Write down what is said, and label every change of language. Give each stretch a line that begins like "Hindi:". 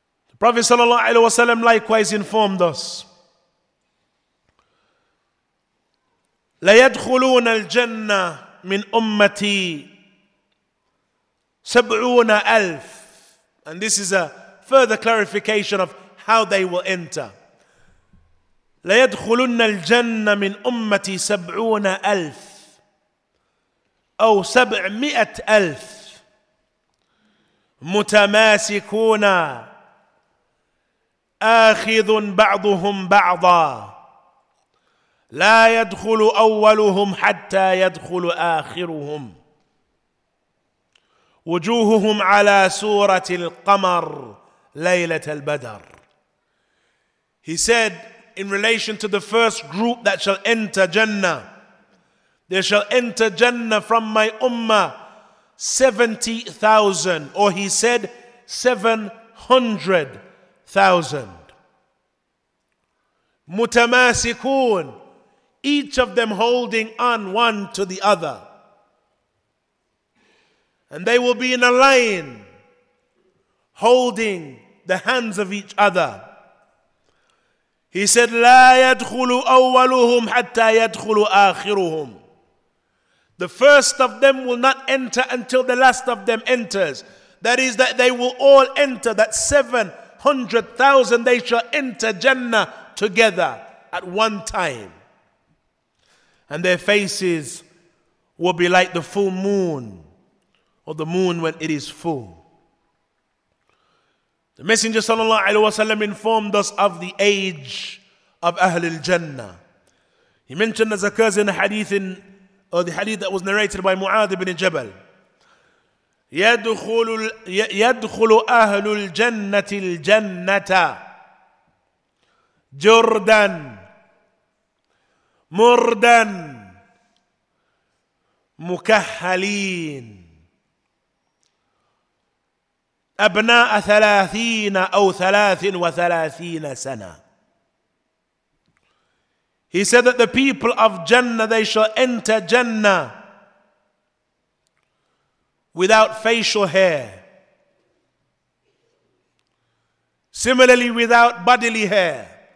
English: The Prophet sallallahu alaihi wasallam likewise informed us,
Arabic: la yadkhuluna al-jannah min ummati 70,000.
English: And this is a further clarification of how they will enter.
Arabic: La yadkhulunna al-jannah min ummati 70,000 aw 700,000 mutamasikuna akhidhun ba'dhum ba'dha لا يدخل أولهم حتى يدخل آخرهم وجوههم على سورة القمر ليلة البدر.
English: He said, in relation to the first group that shall enter Jannah, they shall enter Jannah from my ummah 70,000, or he said 700,000. thousand. Mutamasikun, each of them holding on one to the other. And they will be in a line, holding the hands of each other. He said,
Arabic: لا يدخل أولهم حتى يدخل آخرهم.
English: The first of them will not enter until the last of them enters. That is, that they will all enter, that 700,000, they shall enter Jannah together at one time. And their faces will be like the full moon, or the moon when it is full. The Messenger sallallahu alaihi wasallam informed us of the age of Ahlul Jannah. He mentioned as occurs in a hadith, or the hadith that was narrated by Mu'adh ibn Jabal.
Arabic: يَدْخُلُ أَهْلُ الْجَنَّةِ الْجَنَّةَ جُرْدًا مُرْدًا مُكَحَّلِينَ أبناء ثلاثين أو ثلاث وثلاثين سنة.
English: He said that the people of Jannah, they shall enter Jannah without facial hair. Similarly, without bodily hair.